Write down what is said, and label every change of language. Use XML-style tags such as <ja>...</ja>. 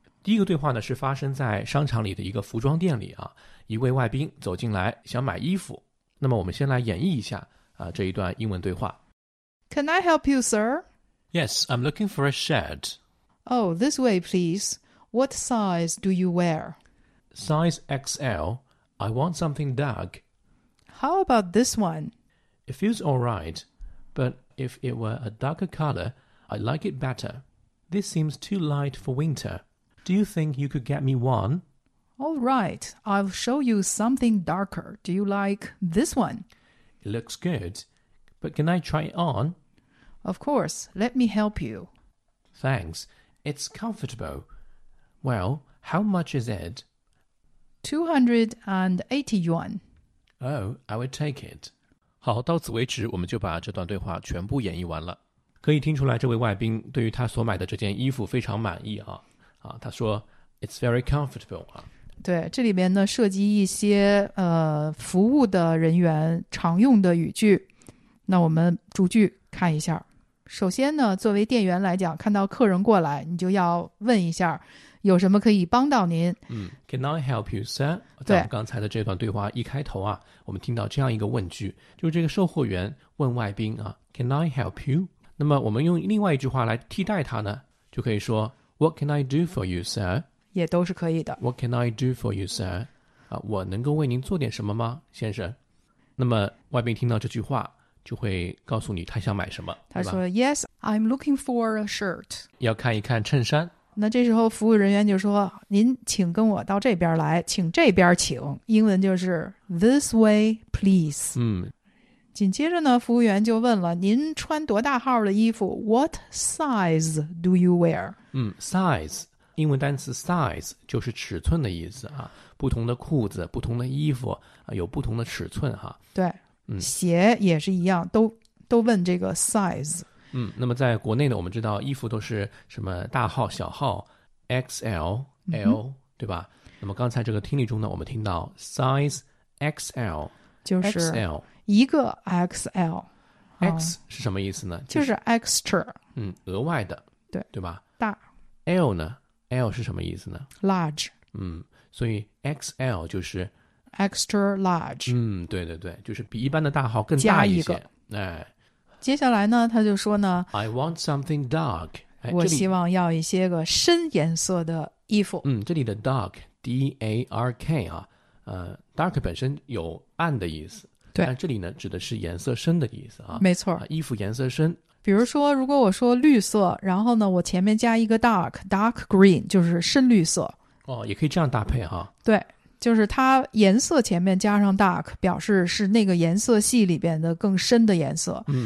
<zh>第一个对话呢是发生在商场里的一个服装店里啊，一位外宾走进来想买衣服。那么我们先来演绎一下啊这一段英文对话。</zh> <en>Can I help you, sir? Yes, I'm looking for a shirt. Oh, this way, please. What size do you wear? Size XL. I want something dark. How about this one? It feels all right, but if it were a darker color, I'd like it better. This seems too light for winter. Do you think you could get me one? All right, I'll show you something darker. Do you like this one? It looks good. But can I try it on? Of course. Let me help you. Thanks. It's comfortable. Well, how much is it? 280 yuan. Oh, I will take it.</en> <zh>好，到此为止，我们就把这段对话全部演绎完了。可以听出来，这位外宾对于他所买的这件衣服非常满意啊！啊，他说 ，</zh> <en>It's very comfortable</en> <zh>啊。对，这里面呢涉及一些服务的人员常用的语句。那我们逐句看一下。首先呢，作为店员来讲，看到客人过来，你就要问一下，有什么可以帮到您。</zh> <en>Can I help you, sir?</en> <zh>在我们刚才的这段对话一开头啊，我们听到这样一个问句，就是这个售货员问外宾啊 ，</zh> <en>Can I help you?</en> <zh>那么我们用另外一句话来替代他呢，就可以说</zh> <en>What can I do for you, sir?</en> <zh>也都是可以的。</zh> <en>What can I do for you, sir?</en> <zh>啊，我能够为您做点什么吗，先生？那么外宾听到这句话。就会告诉你他想买什么。他说</zh> <en>：“Yes, I'm looking for a shirt。”</en> <zh>要看一看衬衫。那这时候服务人员就说：“您请跟我到这边来，请这边请。” 英文就是</zh> <en>“This way, please。”</en> <zh>嗯。紧接着呢，服务员就问了：“您穿多大号的衣服 ？</zh> <en>What size do you wear？”</en> <zh>嗯 ，size 英文单词 size 就是尺寸的意思啊。不同的裤子、不同的衣服啊，有不同的尺寸哈、啊。对。鞋也是一样，都问这个 size。那么在国内呢，我们知道衣服都是什么大号、小号 ，XL、L，对吧？那么刚才这个听力中呢，我们听到 size XL，就是</zh> <en>XL</en> <zh>一个 XL。 X 是什么意思呢？就是 extra，额外的，对吧？大。 L 呢 ？L 是什么意思呢</zh> <en>？Large。</en> <zh>所以 XL 就是。</zh> <en>Extra large，</en> <zh>对对对，就是比一般的大号更大一些。哎，接下来呢，他就说呢</zh> <en>，I want something dark，、哎、</en> <zh>我希望要一些个深颜色的衣服。这里的 dark， D A R K 啊，dark 本身有暗的意思，对，但这里呢指的是颜色深的意思啊，没错，啊、衣服颜色深。比如说，如果我说绿色，然后呢，我前面加一个 dark green， 就是深绿色。哦，也可以这样搭配哈、啊。对。就是它颜色前面加上 dark 表示是那个颜色系里边的更深的颜色。</zh>